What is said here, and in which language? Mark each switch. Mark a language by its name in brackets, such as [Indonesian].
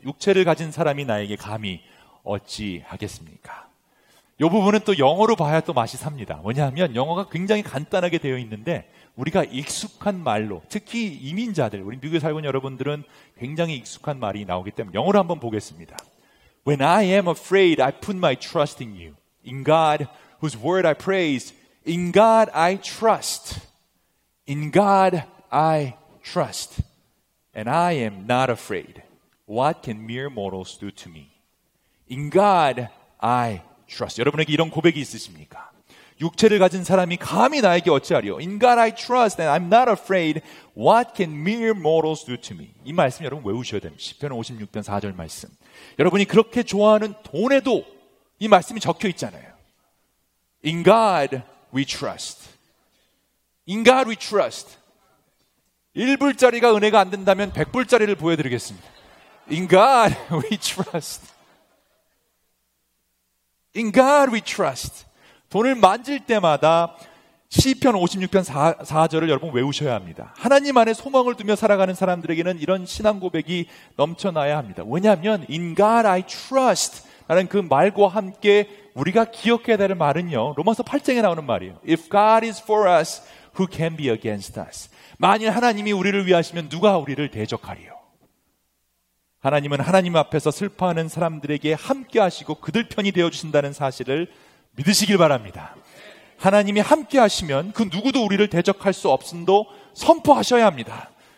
[Korean] 육체를 가진 사람이 나에게 감히 어찌 하겠습니까? 이 부분은 또 영어로 봐야 또 맛이 삽니다. 뭐냐면 영어가 굉장히 간단하게 되어 있는데 우리가 익숙한 말로, 특히 이민자들, 우리 미국에 살고 있는 여러분들은 굉장히 익숙한 말이 나오기 때문에 영어로 한번 보겠습니다. [English] When I am afraid, I put my trust in you. In God, whose word I praise. In God, I trust. In God, I trust. And I am not afraid. What can mere mortals do to me? In God, I trust. [Korean] 여러분에게 이런 고백이 있으십니까? 육체를 가진 사람이 감히 나에게 어찌하려? [English] In God, I trust and I'm not afraid. What can mere mortals do to me? [Korean] 이 말씀 여러분 외우셔야 됩니다. 시편 56편 4절 말씀. 여러분이 그렇게 좋아하는 돈에도 이 말씀이 적혀 있잖아요. [English] In God, we trust. In God, we trust. [Korean] 1불짜리가 은혜가 안 된다면 100불짜리를 보여드리겠습니다. [English] In God, we trust. In God, we trust. [Korean] 돈을 만질 때마다 시편 56편 4절을 여러분 외우셔야 합니다. 하나님 안에 소망을 두며 살아가는 사람들에게는 이런 신앙 고백이 넘쳐나야 합니다. 왜냐하면 [English] In God I trust [Korean] 라는 그 말과 함께 우리가 기억해야 될 말은요, 로마서 8장에 나오는 말이에요. [English] If God is for us, who can be against us? [Korean] 만일 하나님이 우리를 위하시면 누가 우리를 대적하리요? 하나님은 하나님 앞에서 슬퍼하는 사람들에게 함께 하시고 그들 편이 되어주신다는 사실을 믿으시길 바랍니다. 하나님이 함께 하시면 그 누구도 우리를 대적할 수 없음도 선포하셔야 합니다.